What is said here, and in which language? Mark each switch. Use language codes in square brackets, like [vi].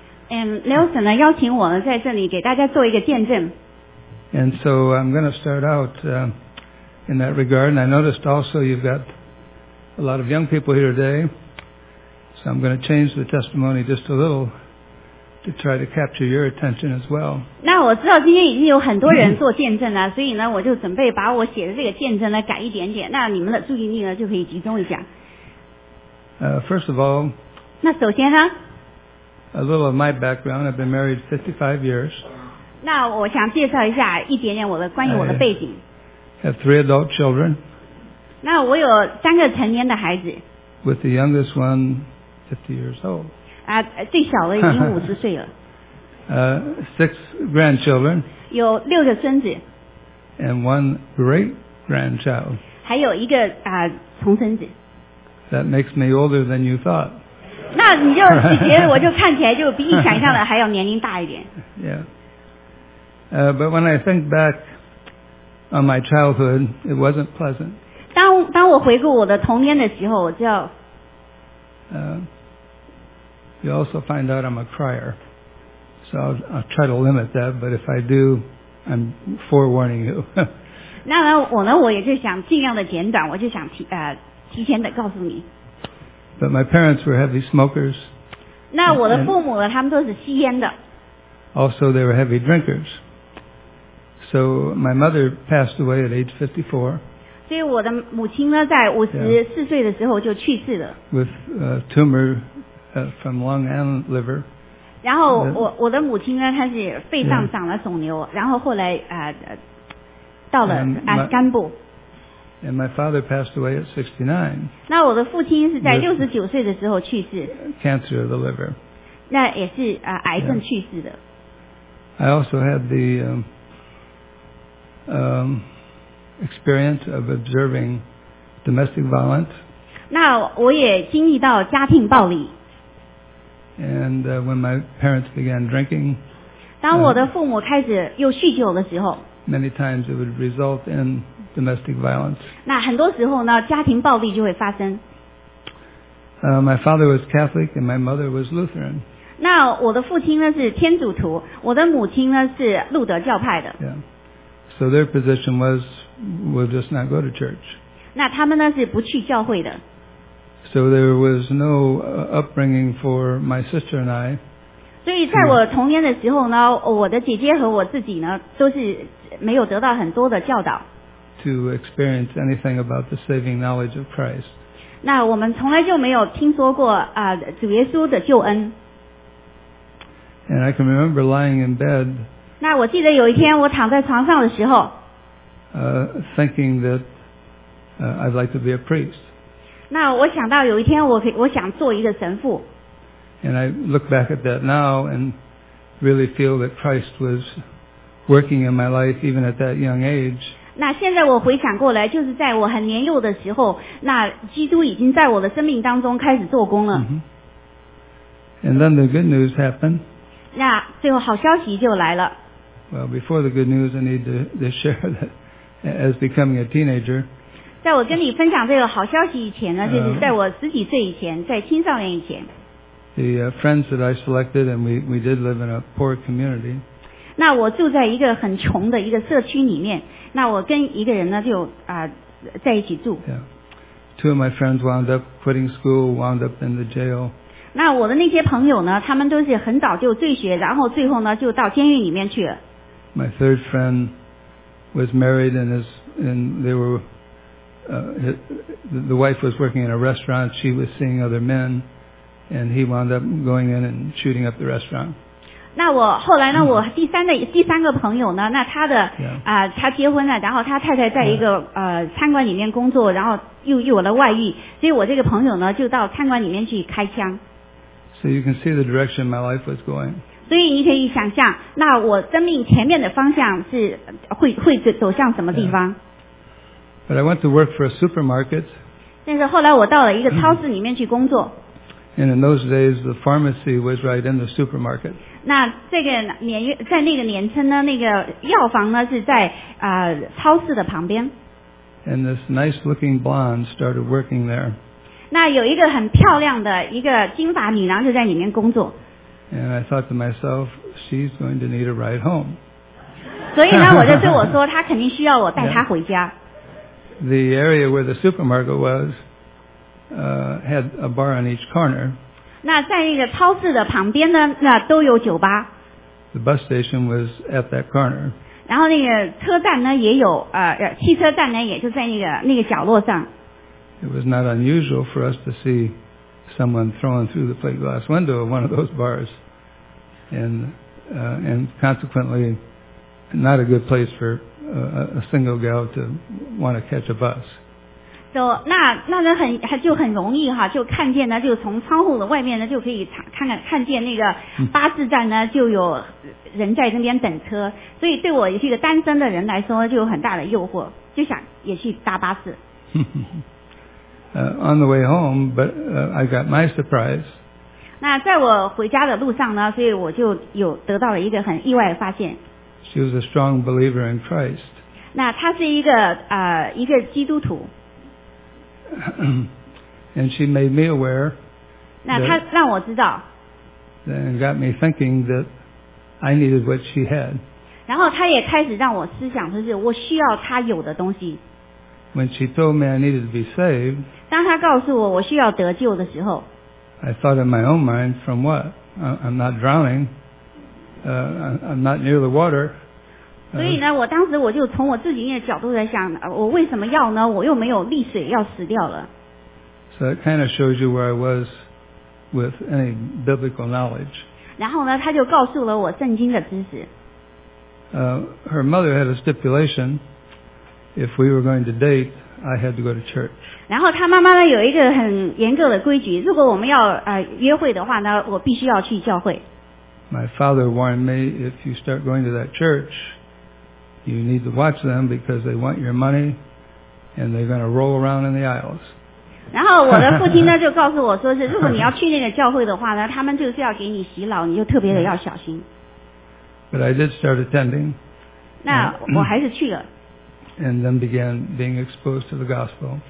[zh] And Nelson 呢邀请我在这里给大家做一个见证。 [en] And so I'm going to start out in that regard. And I noticed also you've got a lot of young people here today. So I'm going to change the testimony just a little to try to capture your attention as well. [zh] 那我知道今天已经有很多人做见证了，所以呢，我就准备把我写的这个见证呢改一点点，那你们的注意力呢就可以集中一下。 [en] First of all, [zh] 那首先呢 [en] a little of my background. I've been married 55 years. [zh] 那我想介绍一下一点点我的关于我的背景。 [en] I have three adult children. [zh] 那我有三个成年的孩子。 [en] With the youngest one, 50 years old. [zh] 最小的已经50岁了。 [en] six grandchildren. [zh] 有六个孙子。 [en] And one great grandchild. [zh] 还有一个重孙子。 [en] That makes me older than you thought. [zh] 那你就觉得我就看起来就比你想象的还要年龄大一点。 [en] Yeah. But when I think back on my childhood, it wasn't pleasant. [zh] 当我回顾我的童年的时候，我就要。 [en] You also find out I'm a crier, so I'll try to limit that. But if I do, I'm forewarning you. [zh] 那我也就想尽量的简短，我就想提前的告诉你。 [en] But my parents were heavy smokers. [zh] 那我的父母呢？他们都是吸烟的。 [en] Also, they were heavy drinkers. So my mother passed away at age 54. [zh] 所以我的母亲呢，在54岁的时候就去世了。 [en] With a tumor from lung and liver. [zh] 然后我的母亲呢，她是肺脏长了肿瘤，然后后来到了肝部。 [en] And my father passed away at 69. [zh] 那我的父亲是在69岁的时候去世。 [en] Cancer of the liver. [zh] 那也是癌症去世的。 [en] I also had the experience of observing domestic violence. [zh] 那我也经历到家庭暴力。 [en] And when my parents began drinking, [zh] 当我的父母开始又酗酒的时候， [en] many times it would result in domestic violence. [zh] 那很多时候呢，家庭暴力就会发生。 [en] My father was Catholic and my mother was Lutheran. [zh] 那我的父亲呢是天主徒，我的母亲呢是路德教派的。 [en] Yeah. So their position was, we'll just not go to church. [zh] 那他们呢是不去教会的。 [en] So there was no upbringing for my sister and I. [zh] 所以在我童年的时候呢，我的姐姐和我自己呢都是没有得到很多的教导。 [en] To experience anything about the saving knowledge of Christ. [zh] 那我们从来就没有听说过主耶稣的救恩。 [en] And I can remember lying in bed. [zh] 那我记得有一天我躺在床上的时候。 [en] Thinking that I'd like to be a priest. [zh] 那我想到有一天我想做一个神父。 [en] And I look back at that now and really feel that Christ was working in my life even at that young age. [zh] 那现在我回想过来，就是在我很年幼的时候，那基督已经在我的生命当中开始做工了。 [en] Mm-hmm. And then the good news happened. [zh] 那最后好消息就来了。 [en] Well, before the good news, I need to share that as becoming a teenager. [zh] 在我跟你分享这个好消息以前呢，就是在我十几岁以前，在青少年以前。 [en] The friends that I selected, and we did live in a poor community. [zh] 那我住在一个很穷的一个社区里面，那我跟一个人呢就在一起住。 [en] Yeah. Two of my friends wound up quitting school, wound up in the jail. [zh] 那我的那些朋友呢，他们都是很早就辍学，然后最后呢就到监狱里面去了。 [en] My third friend was married and the wife was working in a restaurant. She was seeing other men, and he wound up going in and shooting up the restaurant. [zh] 那我后来呢，我第三个朋友呢，那他的他结婚了，然后他太太在一个餐馆里面工作，然后又有了外遇，所以我这个朋友呢就到餐馆里面去开枪。 [en] So you can see the direction my life was going. [zh] 所以你可以想象，那我生命前面的方向是会走向什么地方。 [en] Yeah. But I went to work for a supermarket. [zh] 但是后来我到了一个超市里面去工作。 [en] And in those days, the pharmacy was right in the supermarket. [zh] 那这个年在那个年称呢，那个药房呢是在超市的旁边。 [en] And this nice-looking blonde started working there. [zh] 那有一个很漂亮的一个金发女郎就在里面工作。 [en] And I thought to myself, she's going to need a ride home. [zh] 所以呢，我就对我说，她肯定需要我带她回家。 [en] Yeah. The area where the supermarket was had a bar on each corner. [zh] 那在那个超市的旁边呢，那都有酒吧。 [en] The bus station was at that corner. [zh] 然后那个车站呢也有汽车站呢也就在那个角落上。 [en] It was not unusual for us to see someone thrown through the plate glass window of one of those bars, and consequently, not a good place for. A single girl to want to catch a bus. [zh] So, 那个很就很容易哈，就看见呢，就从窗户的外面呢，就可以看见那个巴士站呢，就有人在那边等车。所以对我也是一个单身的人来说，就有很大的诱惑，就想也去搭巴士。 [en] On the way home, but I got my surprise. [zh] 那在我回家的路上呢，所以我就有得到了一个很意外的发现。 [en] She was a strong believer in Christ. [zh] 那她是一个基督徒。 [en] And she made me aware. [zh] 那她让我知道。 [en] And got me thinking that I needed what she had. [zh] 然后她也开始让我思想，就是我需要她有的东西。 [en] When she told me I needed to be saved. [zh] 当她告诉我我需要得救的时候。 [en] I thought in my own mind, from what? I'm not drowning. I'm not near the water. [zh] 所以呢，我当时我就从我自己的角度在想，我为什么要呢？我又没有溺水要死掉了。 [en] So that kind of shows you where I was with any biblical knowledge. [zh] 然后呢，他就告诉了我圣经的知识。 [en] Her mother had a stipulation. If we were going to date, I had to go to church. [zh] 然后他妈妈呢有一个很严格的规矩，如果我们要约会的话呢，我必须要去教会。 [en] My father warned me, if you start going to that church, you need to watch them because they want your money and they're going to roll around in the aisles. [zh] 然后我的父亲呢就告诉我说是，如果你要去那个教会的话呢，他们就是要给你洗脑，你就特别的要小心。 [en] But I did start attending. [zh] 那我还是去了。 [en] And then began being exposed to the gospel.